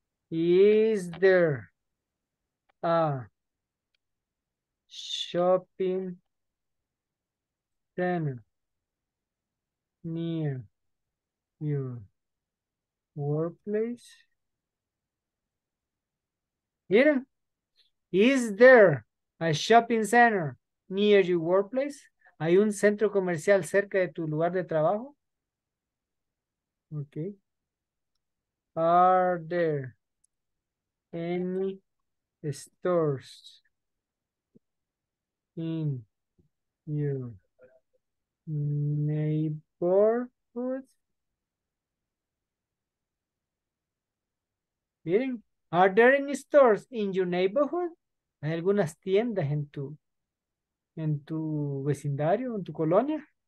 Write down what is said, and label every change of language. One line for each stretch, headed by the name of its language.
English: Is there a shopping center near your workplace?
Spanish: Miren.
English: Is there a shopping center near your workplace?
Spanish: ¿Hay un centro comercial cerca de tu lugar de trabajo?
English: Okay. Are there any stores in your neighborhood?
Spanish: Miren,
English: are there any stores in your neighborhood?
Spanish: ¿Hay algunas tiendas en tu vecindario, en tu colonia?